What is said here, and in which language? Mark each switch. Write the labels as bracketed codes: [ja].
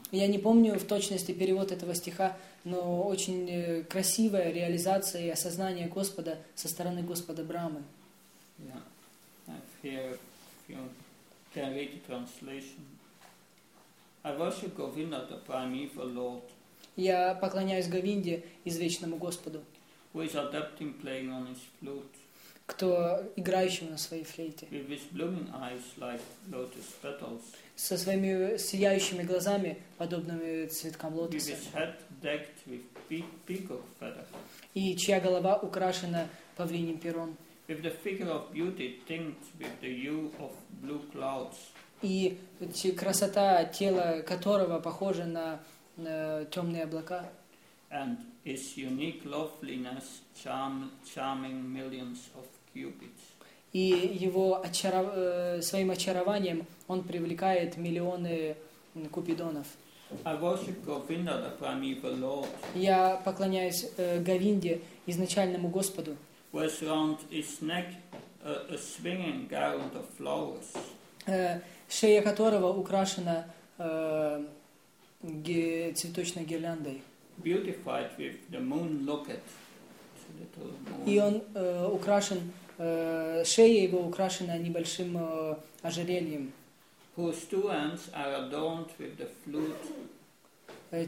[ru] Я не помню в точности перевод этого стиха, но очень красивая реализация и осознание Господа со стороны Господа Брахмы. [en] Yeah. Can I read the translation? I worship Govinda, the primeval Lord. [ru] Я поклоняюсь Говинде, извечному Господу. [en] Who is adept in playing on his flute? [ru] Кто играющий на своей флейте? [en] With his blooming eyes like lotus petals. [ru] Со своими сияющими глазами, подобными цветкам лотоса. [en] With his head decked with peacock feather. [ru] И чья голова украшена павлиньим пером. [en] With the figure of beauty tinged with the hue of blue clouds. [ru] И красота тела которого похожа на темные облака. [en] And his unique loveliness charming millions of cupids. [ru] И его своим очарованием он привлекает миллионы купидонов. [en] I worship Govinda, the primeval Lord. [ru] Я поклоняюсь Говинде, изначальному Господу. [en] Was round his neck a swinging garland of flowers. [ru] Шея которого украшена цветочной гирляндой. [en] Beautified with the moon locket. [ru] И он украшен, шея его украшена небольшим ожерельем. [en] Whose two hands are adorned with the flute.